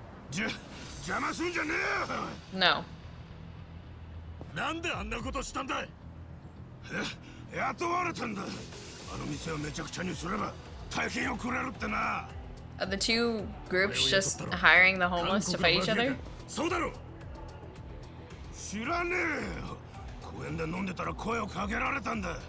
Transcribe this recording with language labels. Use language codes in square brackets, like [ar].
[ja] じゃ、邪魔すんじゃねえ。 [en] No。 [ja] なんであんなことしたんだい。雇われたんだ。あの店をめちゃくちゃにすれば大金をくれるってな。 [en] Are the two groups just hiring the homeless to fight each other? [ja] そうだろ。知らねえ。公園で飲んでたら声をかけられたんだ。